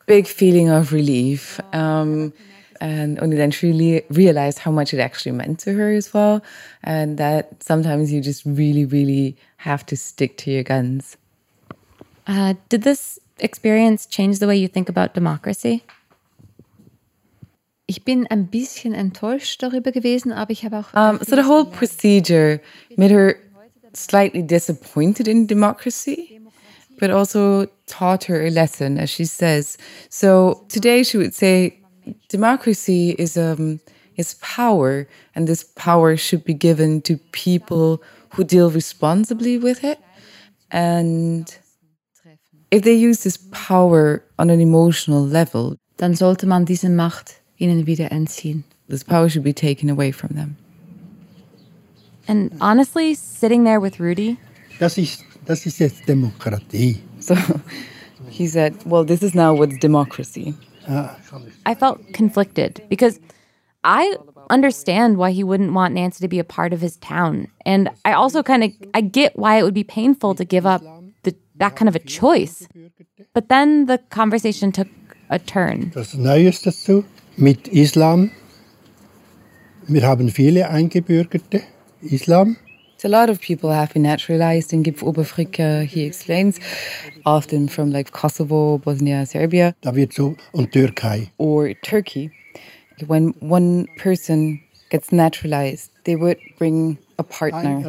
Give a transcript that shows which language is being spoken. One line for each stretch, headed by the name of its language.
English: Big feeling of relief. and only then truly realized how much it actually meant to her as well. And that sometimes you just really, really have to stick to your guns. Did this experience change the way you think about democracy?
German: Ich bin ein bisschen enttäuscht darüber gewesen, aber ich habe auch...
English: So the whole procedure made her slightly disappointed in democracy, but also taught her a lesson, as she says. So today she would say democracy is power, and this power should be given to people who deal responsibly with it. And if they use this power on an emotional level,
German: dann sollte man diese Macht ihnen wieder entziehen.
English: This power should be taken away from them. And honestly, sitting there with Rudy,
German: das ist jetzt Demokratie.
English: So he said, well, this is now what's democracy. I felt conflicted because I understand why he wouldn't want Nancy to be a part of his town. And I also kind of, I get why it would be painful to give up that kind of a choice. But then the conversation took a turn.
German: Das Neues dazu, mit Islam, wir haben viele Eingebürgerte, Islam.
English: A lot of people have been naturalized in Gipfoberfrika, he explains, often from like Kosovo, Bosnia, Serbia.
German: Da wird so, und Türkei.
English: Or Turkey. When one person gets naturalized, they would bring a partner.